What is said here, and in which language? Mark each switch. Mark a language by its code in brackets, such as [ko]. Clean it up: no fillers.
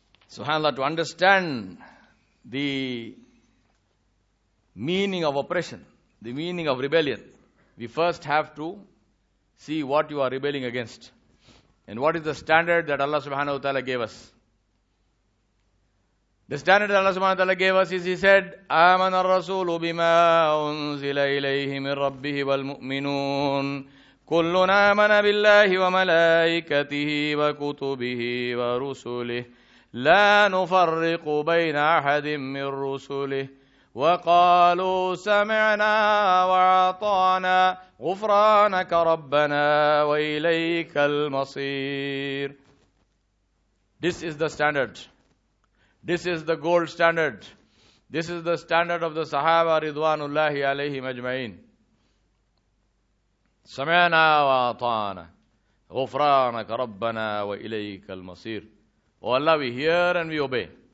[en] Subhanallah, to understand the meaning of oppression, the meaning of rebellion, we first have to see what you are rebelling against and what is the standard that Allah subhanahu wa ta'ala gave us. The standard that Allah subhanahu wa ta'ala gave us is, he said, [ar] آمَنَ الرَّسُولُ بِمَا أُنزِلَ إِلَيْهِ مِنْ رَبِّهِ وَالْمُؤْمِنُونَ كُلٌّ آمَنَ بِاللَّهِ وَمَلَائِكَتِهِ وَكُتُبِهِ وَرُسُلِهِ لَا نُفَرِّقُ بَيْنَ أَحَدٍ مِّنْ رُسُلِهِ وَقَالُوا سَمِعْنَا وَعَطَعْنَا غُفْرَانَكَ رَبَّنَا وَإِلَيْكَ الْمَصِيرُ. [en] This is the standard. This is the gold standard. This is the standard of the Sahaba Ridwanullahi alayhi majma'in. [ar] Sami'na wa ata'na. Ghufranaka rabbana wa ilayka al-masir. [en] Oh Allah, we hear and we obey.